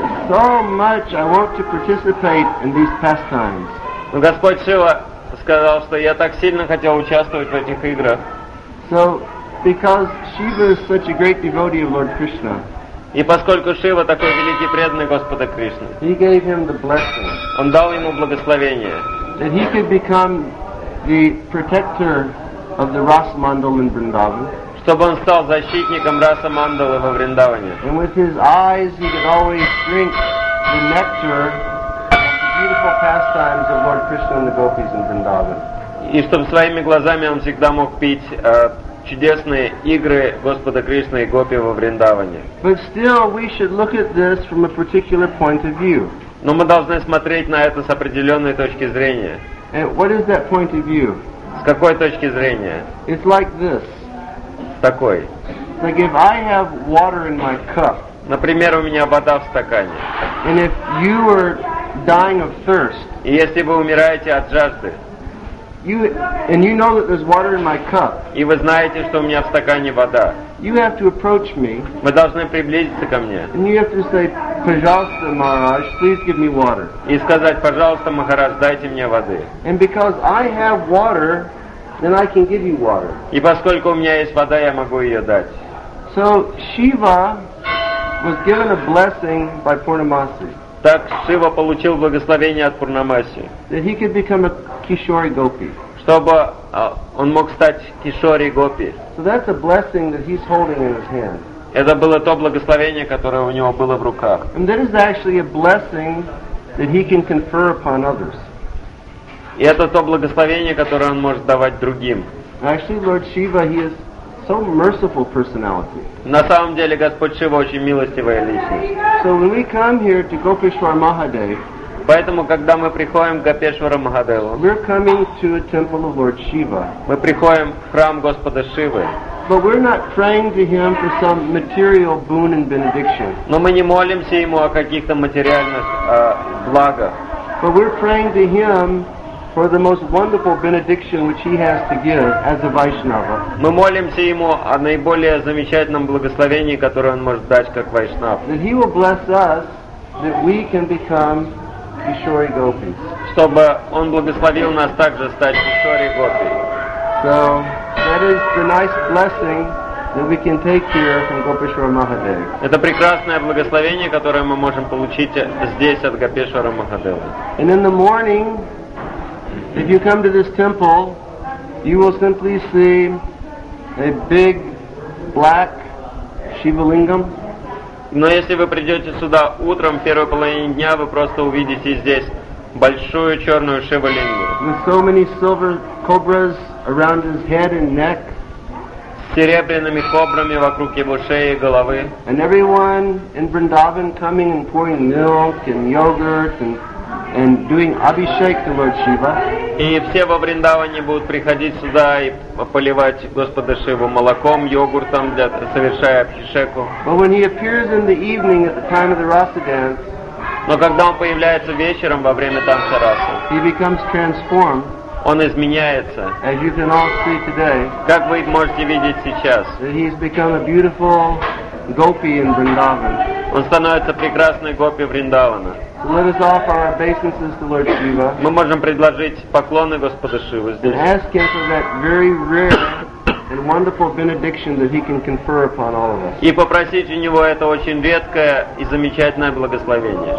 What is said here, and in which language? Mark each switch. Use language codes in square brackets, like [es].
[en] So much I want to participate in these pastimes. [ru] Но Господь Шива сказал, что я так сильно хотел участвовать в этих играх. [en] So because Shiva is such a great devotee of Lord Krishna. [ru] И поскольку Шива такой великий преданный Господа Кришны. [en] He gave him the blessing. [ru] Он дал ему благословение. [en] That he could become the protector of the Rasa Mandal in Vrindavan. [ru] чтобы он стал защитником Раса Мандалы во Вриндаване. [en] And with his eyes he could always drink the nectar of the beautiful pastimes of Lord Krishna and the gopis in Vrindavan. [ru] И чтобы своими глазами он всегда мог пить чудесные игры Господа Кришны и Гопи во Вриндаване. [en] But still we should look at this from a particular point of view. [ru] Но мы должны смотреть на это с определенной точки зрения. [en] And what is that point of view? [ru] С какой точки зрения? [en] It's like this. [ru] Такой. [en] Like if I have water in my cup. [ru] Например, у меня вода в стакане. [en] And if you were dying of thirst. [ru] И если вы умираете от жажды. [en] You know that there's water in my cup. [ru] И вы знаете, что у меня в стакане вода. [en] You have to approach me. [ru] Вы должны приблизиться ко мне. [en] And you have to say, [ru] "Пожалуйста, Махарадж, [en] please give me water." [ru] И сказать, пожалуйста, Махарадж, дайте мне воды. [en] And because I have water, then I can give you water. [ru] И поскольку у меня есть вода, я могу ее дать. [en] So Shiva was given a blessing by Purnamasi. [ru] Так Шива получил благословение от Пурнамаси. [en] That he could become a Kishori Gopi. [ru] Чтобы он мог стать Кишори Гопи. [en] So that's a blessing that he's holding in his hand. [ru] Это было то благословение, которое у него было в руках. [en] And that is actually a blessing that he can confer upon others. [ru] И это то благословение, которое он может давать другим. [en] Actually, Lord Shiva, he is so merciful personality. [ru] На самом деле, Господь Шива очень милостивая личность. [en] So when we come here to Gopeshwar Mahadev, [ru] поэтому, когда мы приходим к Гопешвару Махадеву, [en] we're coming to a temple of Lord Shiva. [ru] Мы приходим в храм Господа Шивы. [en] But we're not praying to him for some material boon and benediction. [ru] Но мы не молимся ему о каких-то материальных благах. [en] But we're praying to him for the most wonderful benediction which he has to give as a Vaishnava. [ru] Мы молимся ему о наиболее замечательном благословении, которое он может дать как Вайшнав. [en] That he will bless us, that we can become Kishori Gopis. [ru] Чтобы он благословил нас также стать Кишори Гопи. [en] So that is the nice blessing that we can take here from Gopeshwar Mahadev. [ru] Это прекрасное благословение, которое мы можем получить здесь от Гопешвара Махадева. [en] And in the morning, if you come to this temple, you will simply see a big black Shiva Lingam. [ru] Но если вы придете сюда утром, в первой половине дня, вы просто увидите здесь большую черную Шива Лингу. [en] With so many silver cobras around his head and neck. [ru] С серебряными кобрами вокруг его шеи и головы. [en] And everyone in Vrindavan coming and pouring milk and yogurt and doing abhishek to Lord Shiva. [ru] И все во Вриндаване будут приходить сюда и поливать Господа Шиву молоком, йогуртом, для совершая абхишеку. [en] But when he appears in the evening at the time of the Rasa dance, [ru] но когда он появляется вечером во время танца Расы, [en] he becomes transformed. [ru] Он изменяется. [en] As you can all see today, [ru] как вы можете видеть сейчас, [en] that he's become a beautiful gopi in Vrindavan. [ru] Он становится прекрасной гопи Вриндавана. [en] Let us offer our obeisances to Lord Shiva. [ru] Мы можем предложить поклоны Господу Шиве здесь. [en] And ask him for that very rare and wonderful benediction that he can confer upon all of us. [ru] И попросить у него это очень редкое и замечательное благословение.